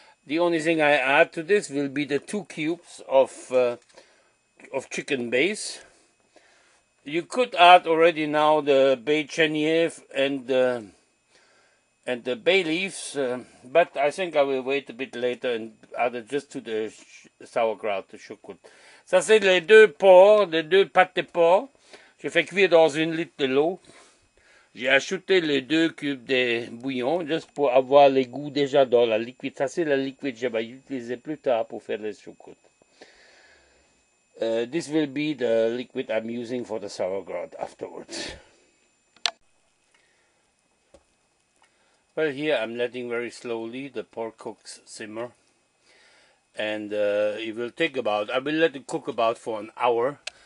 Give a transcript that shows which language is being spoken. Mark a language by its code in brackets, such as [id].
[en] The only thing I add to this will be the 2 cubes of chicken base. You could add already now the bay chènevre and the bay leaves, but I think I will wait a bit later and add it just to the sauerkraut, the choucroute. [fr] Ça, c'est les deux porcs, les deux pâtes de porc. Je fais cuire dans 1 litre de l'eau. J'ai ajouté les 2 cubes de bouillon, juste pour avoir les goûts déjà dans la liquide. Ça, c'est la liquide que je vais utiliser plus tard pour faire les choucroutes. [en] This will be the liquid I'm using for the sauerkraut afterwards. Well, here I'm letting very slowly the pork cooks simmer. And it will take about, I will let it cook about for an hour.